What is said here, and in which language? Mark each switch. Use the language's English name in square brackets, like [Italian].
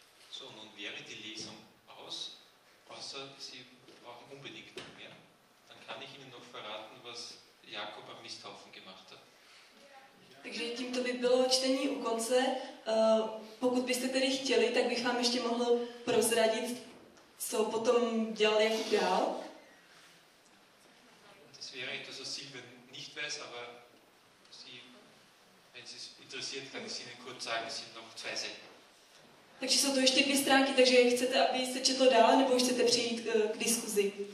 [German] So, nun wäre die Lesung aus, außer Sie brauchen unbedingt noch mehr. Dann kann ich Ihnen noch verraten, was Jakob am Misthaufen gemacht hat. [Czech] Takže tímto by bylo čtení u konce. Pokud byste tedy chtěli, tak bych vám ještě mohl prozradit, co potom dělal Jakub dál. [German] Das wäre etwas, was Silvia nicht weiß, aber sie, wenn sie es interessiert, kann ich Ihnen kurz sagen, es sind noch zwei Seiten. [Czech] Takže jsou to ještě dvě stránky, takže chcete, aby se četlo dál, nebo chcete přijít k diskuzi?